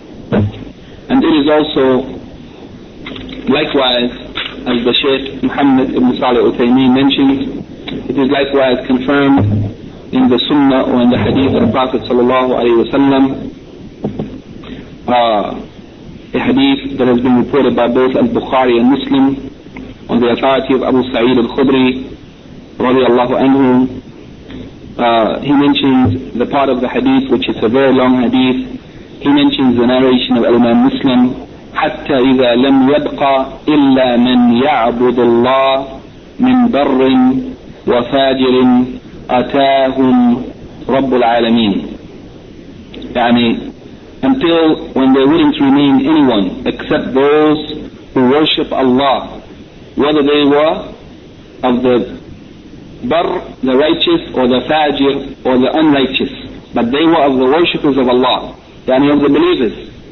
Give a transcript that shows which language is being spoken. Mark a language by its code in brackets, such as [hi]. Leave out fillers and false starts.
[en] And it is also likewise, as the Shaykh Muhammad ibn Salih Uthaymeen mentions, it is likewise confirmed in the Sunnah or in the Hadith of the Prophet sallallahu alayhi wa sallam, a Hadith that has been reported by both Al-Bukhari and Muslim on the authority of Abu Sa'id al-Khudri radiallahu anhu. He mentions the part of the Hadith, which is a very long Hadith. He mentions the narration of Imam Muslim, [ar] حتى إذا لم يبقى إلا من يعبد الله من بر وفاجر أتاهم رب العالمين. [en] يعني, until when there wouldn't remain anyone except those who worship Allah, whether they were of the bar, the righteous, or the fajir, or the unrighteous, but they were of the worshippers of Allah, يعني of the believers.